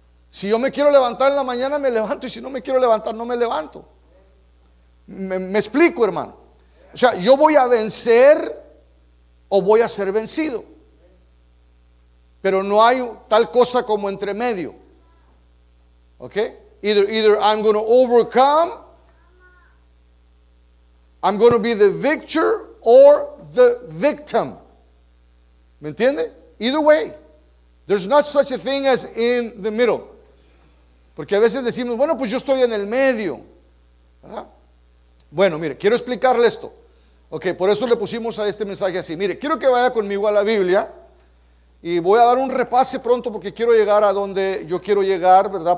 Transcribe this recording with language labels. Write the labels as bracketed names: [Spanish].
[Spanish] Si yo me quiero levantar en la mañana, me levanto. Y si no me quiero levantar, no me levanto. ¿Me explico, hermano? O sea, yo voy a vencer o voy a ser vencido. Pero no hay tal cosa como entre medio. ¿Ok? [English] Either I'm going to overcome, I'm going to be the victor or the victim. [Spanish] ¿Me entiende? [English] Either way, there's not such a thing as in the middle. [Spanish] Porque a veces decimos, bueno, pues yo estoy en el medio, ¿verdad? Bueno, mire, quiero explicarle esto. Ok, por eso le pusimos a este mensaje así. Mire, quiero que vaya conmigo a la Biblia y voy a dar un repase pronto porque quiero llegar a donde yo quiero llegar, ¿verdad?